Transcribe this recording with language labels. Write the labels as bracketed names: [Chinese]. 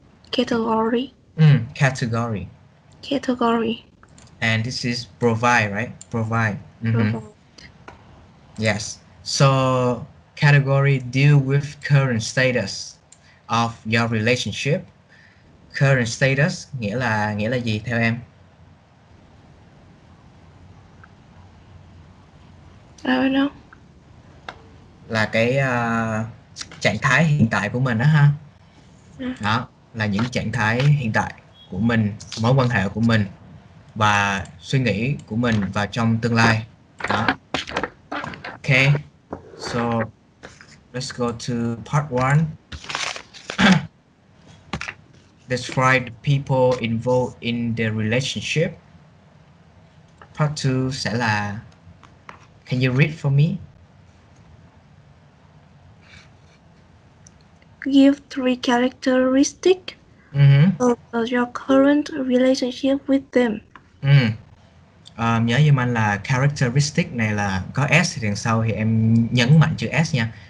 [English] Category. And this is provide, right? Provide. Provide. Yes. So category deal with current status of your relationship. [Vietnamese] Current status nghĩa là gì theo em? [English] Don't [Vietnamese] Là cái trạng thái hiện tại của mình đó ha. Đó, là những trạng thái hiện tại của mình, mối quan hệ của mình và suy nghĩ của mình vào trong tương lai. [English] Đó. Okay. So let's go to part 1. Describe the people involved in the relationship. Part 2 [Vietnamese] sẽ là [English] can you read for me? Give three characteristics of your current relationship with them. [Vietnamese] Nhớ giùm anh là characteristic này là có S thì đằng sau thì em nhấn mạnh chữ S nha.